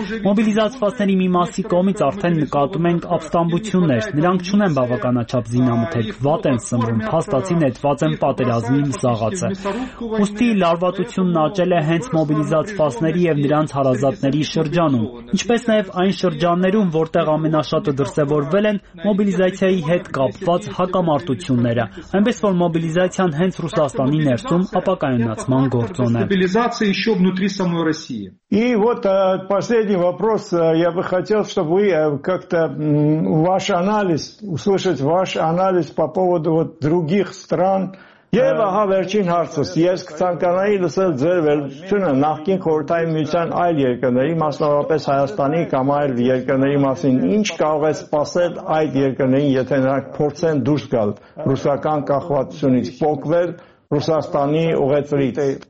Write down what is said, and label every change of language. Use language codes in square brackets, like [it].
[hy] Մոբիլիզացվածների մի մասի կողմից արդեն նկատում ենք ապստամբություններ, նրանք չունեն բավականաչափ զինամթերք, վատ են սնվում, փաստացի նետված են պատերազմի զաղացը։ Ուստի լարվածությունն աճել է հենց մոբիլիզացվածների և նրանց հարազատների շրջանում, ինչպես նաև այն շրջաններում, որտեղ ամենաշատը դրսևորվել են մոբիլիզացիայի հետ կապված հակամարտությունները, այնպես որ մոբիլիզացիան հենց Ռուսաստանի ներսում ապակայունացման գործոն է։ [ru] И вот последний вопрос. Я бы хотел, чтобы вы как-то ваш анализ, услышать ваш анализ по поводу вот других стран. [hy] Եվ ահա վերջին հարցս, ես կցանկանայի լսել ձեր վերջությունը նախկին խորհրդային միության այլ երկրների, մասնավորապես Հայաստանի կամ այլ երկրների մասին, ինչ կարող է սպասել այդ երկրներին, եթե նրանք փորձեն դուրս գալ ռուսական կախվածությունից, պոկվել Ռուսաստանի ուղեծրից։